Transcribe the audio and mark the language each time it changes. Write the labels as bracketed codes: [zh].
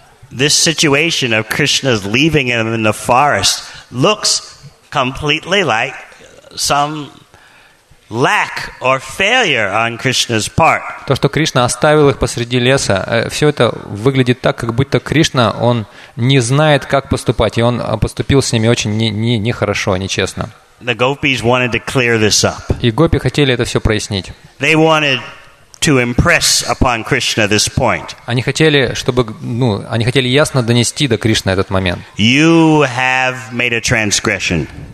[en] This situation of Krishna's leaving him in the forest looks completely like some lack or failure on Krishna's part. [ru] То, что Кришна оставил их посреди леса, все это выглядит так, как будто Кришна, он не знает, как поступать, и он поступил с ними очень нехорошо, нечестно. [en] The gopis wanted to clear this up. [ru] И гопи хотели это все прояснить. [en] They wanted to impress upon Krishna this point. [ru] Они хотели, чтобы, ну, они хотели ясно донести до Кришны этот момент. [en] You have made a transgression.